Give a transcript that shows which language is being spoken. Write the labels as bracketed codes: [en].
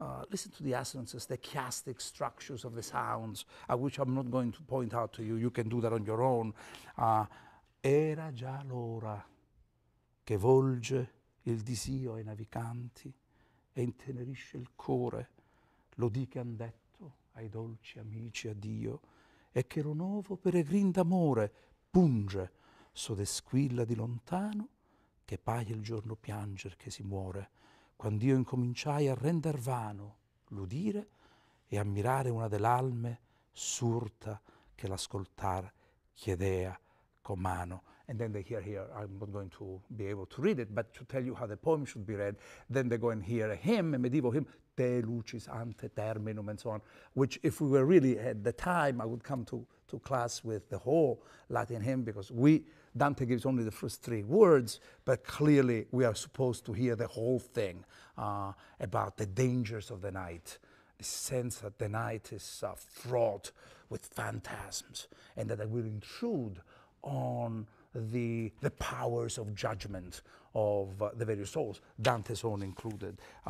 [en] Listen to the assonances, the chiastic structures of the sounds, which I'm not going to point out to you. You can do that on your own. [it] Era già l'ora che volge il disio ai navicanti e intenerisce il cuore. Lo di che han detto ai dolci amici addio e che lo nuovo peregrin d'amore punge so de squilla di lontano che paia il giorno pianger che si muore, quand'io incominciai a render vano l'udire e ammirare una dell'alme surta che l'ascoltar chiedea comano. [en] And then they hear here, I'm not going to be able to read it, but to tell you how the poem should be read, then they go and hear a hymn, a medieval hymn, De Lucis Ante Terminum, and so on, which if we were really at the time, I would come to class with the whole Latin hymn, because Dante gives only the first three words, but clearly we are supposed to hear the whole thing about the dangers of the night, the sense that the night is fraught with phantasms, and that it will intrude on the powers of judgment of the various souls, Dante's own included.